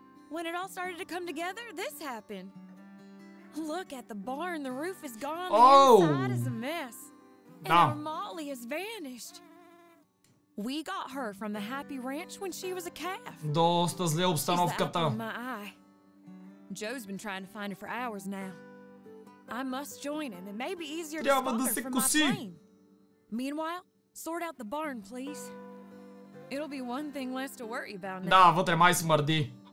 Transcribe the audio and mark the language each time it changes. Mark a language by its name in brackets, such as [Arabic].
[English] When it all started to come together, this happened. Look at the barn, the roof is gone, inside is a mess. And our Molly has vanished. We got her from the Happy Ranch when she was a calf. [Bulgarian] Доста зле обстановката. [English] Joe's been trying to find her for hours now. I must join him, it may be easier to spot her from my plane. Meanwhile, sort out the barn, please. It'll be one thing less to worry about now. [Bulgarian] Да, вътре май смърди.